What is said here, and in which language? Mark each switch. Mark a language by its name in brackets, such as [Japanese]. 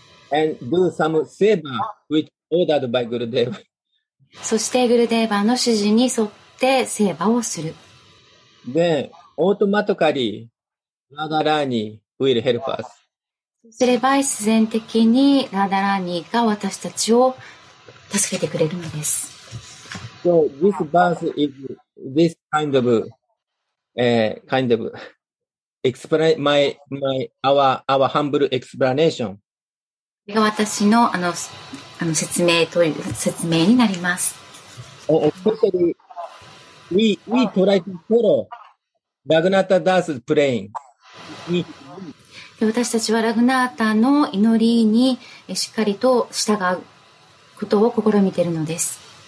[English] And do some seva, which ordered by Gurudev. [Japanese] そして、グルデーバーの指示に沿ってセーバーをする。 [English] Then, automatically, Radharani will help us. [Japanese] そうすれば、自然的にRadharaniが私たちを助けてくれるのです。 [English] So, this verse is this kind of,kind of explain our humble explanation. [Japanese] 私のあの説明という説明になります。 [English] Especially we try to follow Raghunatha Das praying. [Japanese] 私たちはラグナータの祈りにしっかりと従うことを試みているのです。